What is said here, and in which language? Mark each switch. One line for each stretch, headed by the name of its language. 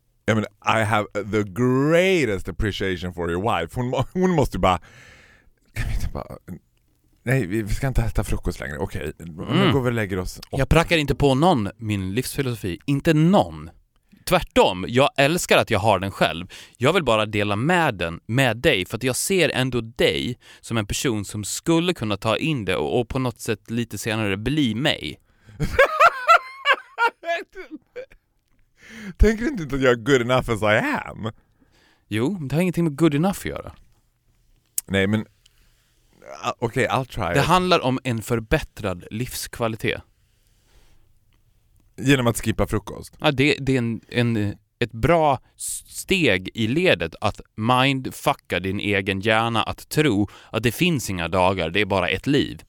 English: I mean, I have the greatest appreciation for your wife.
Swedish: Hon måste ju bara... Kan vi inte bara... Nej, vi ska inte äta frukost längre. Okej, nu går vi och lägger oss... Jag prackar inte på någon min livsfilosofi. Inte någon. Tvärtom, jag älskar att jag har den själv. Jag vill bara dela med den med dig, för att jag ser ändå dig som en person som skulle kunna ta in det och på något sätt lite senare bli mig. Tänker du inte att jag är
English: good enough as I am?
Swedish: Jo, det har ingenting med good enough att göra. Nej, men okej,
English: okay, I'll try.
Swedish: Det handlar om en förbättrad livskvalitet. Genom att skippa frukost. Ja, det är ett bra steg i ledet att mindfucka din egen hjärna att tro att det finns inga dagar, det är bara ett liv.